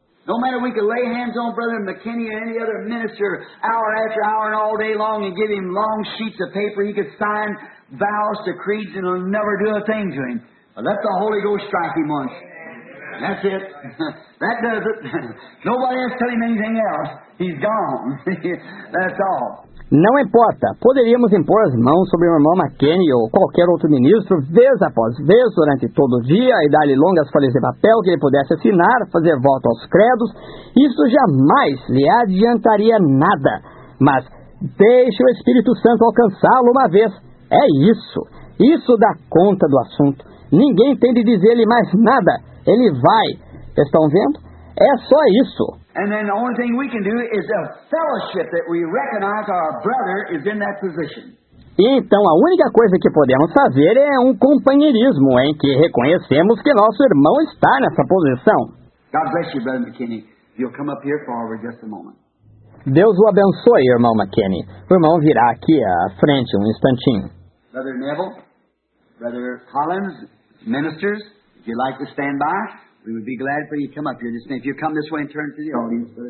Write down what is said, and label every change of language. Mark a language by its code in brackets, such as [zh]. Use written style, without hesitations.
[en] No matter we can lay hands on Brother McKinney or any other minister hour after hour and all day long and give him long sheets of paper, he could sign vows, decrees, and he'll never do a thing to him. Let the Holy Ghost strike him once. That's it. That does it. Nobody has to tell him anything else. He's gone. That's all. [pt] Não importa, poderíamos impor as mãos sobre o irmão McKinney ou qualquer outro ministro, vez após vez, durante todo o dia, e dar-lhe longas folhas de papel que ele pudesse assinar, fazer voto aos credos. Isso jamais lhe adiantaria nada. Mas deixe o Espírito Santo alcançá-lo uma vez. É isso. Isso dá conta do assunto. Ninguém tem de dizer-lhe mais nada. Ele vai. Estão vendo? É só isso. [en] And then the only thing we can do is a fellowship that we recognize our brother is in that position. [pt] Então, a única coisa que podemos fazer é um companheirismo em que reconhecemos que nosso irmão está nessa posição. [en] God bless you, Brother McKinney. You'll come up here forward just a moment. [pt] Deus o abençoe, irmão McKinney. O irmão virá aqui à frente um instantinho. [en] Brother Neville, Brother Collins, ministers, if you'd like to stand by. We would be glad for you to come up here. Just if you come this way and turn to the audience.